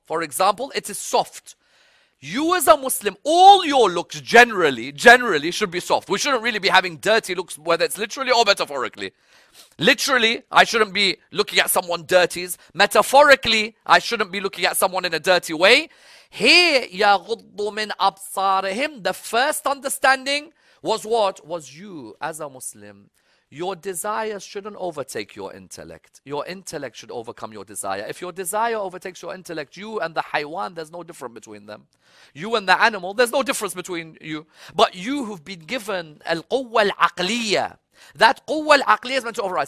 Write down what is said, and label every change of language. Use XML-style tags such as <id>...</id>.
<en>For example, it is soft. You as a Muslim, all your looks generally should be soft. We shouldn't really be having dirty looks, whether it's literally or metaphorically. Literally, I shouldn't be looking at someone dirties. Metaphorically, I shouldn't be looking at someone in a dirty way. Here,</en> <ar>يَغُضُّ مِنْ أَبْصَارِهِمْ.</ar> <en>The first understanding was what? Was you as a Muslim. Your desire shouldn't overtake your intellect. Your intellect should overcome your desire. If your desire overtakes your intellect, you and the haywan, there's no difference between them. You and the animal, there's no difference between you. But you who've been given al-quwwa al-aqliyya, that quwwa al-aqliyya is meant to override.</en>